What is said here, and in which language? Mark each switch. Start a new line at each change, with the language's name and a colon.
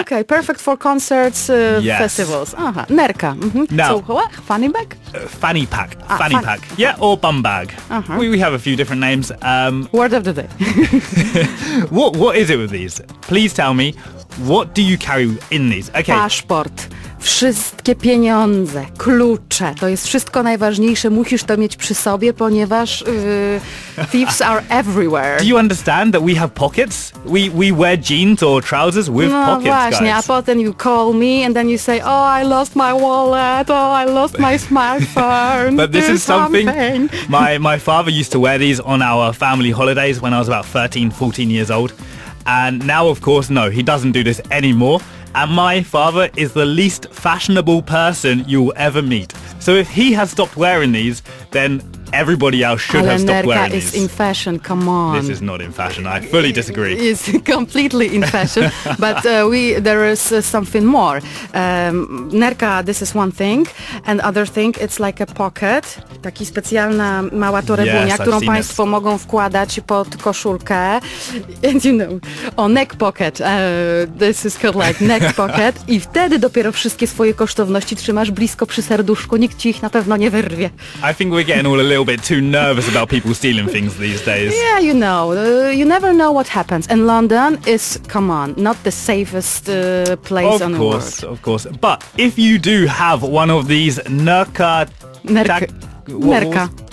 English: Okay, perfect for concerts, yes. Festivals. Aha, nerka. Mm-hmm. Now, so what? Fanny bag? Fanny pack. Ah, fanny pack. Yeah, or bum bag. Uh-huh. We have a few different names. Word of the day. What is it with these? Please tell me, what do you carry in these?
Polish: Okay. Paszport. Wszystkie pieniądze, klucze, to jest wszystko najważniejsze, musisz to mieć przy sobie, ponieważ
English: thieves are everywhere. Do you understand that we have pockets? We wear jeans or trousers with no, pockets,
Polish: właśnie,
English: guys.
Polish: A potem
English: you call me and then you say, oh, I lost my wallet, oh, I lost my smartphone. But this do is something, something. My father used to wear these on our family holidays when I was about 13, 14 years old. And now, of course, no, he doesn't do this anymore. And my father is the least fashionable person you'll ever meet. So if he has stopped wearing these, then everybody else should have stopped wearing these. Alan Berka is in fashion, come on. This is not in fashion, I fully disagree. It's completely in fashion, but there is something more. Nerka, this is one thing, and other thing, it's like a pocket.
Polish: Taki specjalna mała torebunia,
English: yes,
Polish: którą państwo mogą wkładać pod koszulkę.
English: And you know, neck pocket, this is called like neck pocket.
Polish: I wtedy dopiero wszystkie swoje kosztowności trzymasz blisko przy serduszku, nikt ci ich na pewno nie wyrwie.
English: I think we're getting all a little bit too nervous about people stealing things these days. Yeah, you know, you never know what happens. And London is, come on, not the safest place of on course, the world. Of course, but if you do have one of these Nerka... Nerka.